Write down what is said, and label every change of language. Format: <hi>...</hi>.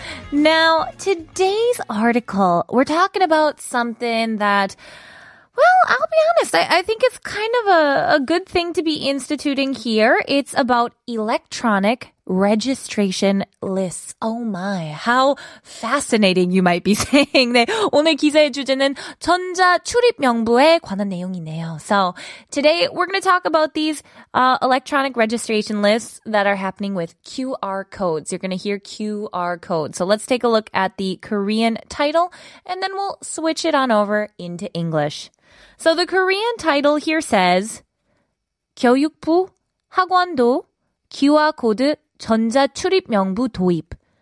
<en>Now, today's article, we're talking about something that, well, I'll be honest, I think it's kind of a good thing to be instituting here. It's about electronic registration lists. Oh my, how fascinating, you might be saying.</en> <ko>네, 오늘 기사의 주제는 전자 출입명부에 관한 내용이네요.</ko> <en>So today we're going to talk about these electronic registration lists that are happening with QR codes. You're going to hear QR codes. So let's take a look at the Korean title and then we'll switch it on over into English. So the Korean title here says</en> <ko>교육부 학원도 QR 코드 전자 출입명부 도입.</ko>